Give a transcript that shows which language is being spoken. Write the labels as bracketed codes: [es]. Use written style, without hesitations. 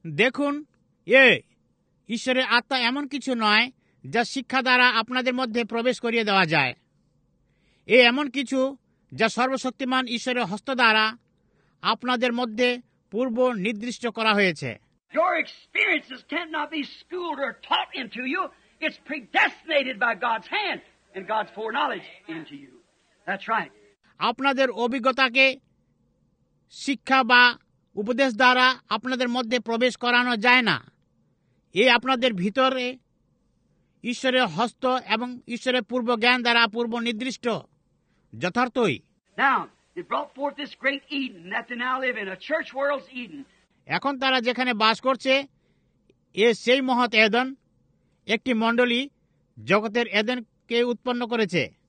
[bn] দেখুন এ ঈশ্বরের আত্মা এমন কিছু নয় যা শিক্ষা দ্বারা আপনাদের মধ্যে প্রবেশ করিয়ে দেওয়া যায় এ এমন কিছু যা সর্বশক্তিমান ঈশ্বরের হস্ত দ্বারা আপনাদের মধ্যে পূর্ব নির্দিষ্ট করা হয়েছে [en] Your experiences cannot be schooled or taught into you. It's predestinated by God's hand and God's foreknowledge into you. That's right. [bn] আপনাদের অভিজ্ঞতাকে শিক্ষা বা উপদেশ দ্বারা আপনাদের মধ্যে প্রবেশ করানো যায় না এই আপনাদের ভিতরে ঈশ্বরের হস্ত এবং ঈশ্বরের পূর্ব জ্ঞান দ্বারা পূর্ব নির্দিষ্ট যথার্থই [en] Now, they brought forth this great Eden that they now live in, a church world's Eden. [bn] এখন তারা যেখানে বাস করছে এ সেই মহৎ এদেন একটি মণ্ডলী জগতের এদেনকে উৎপন্ন করেছে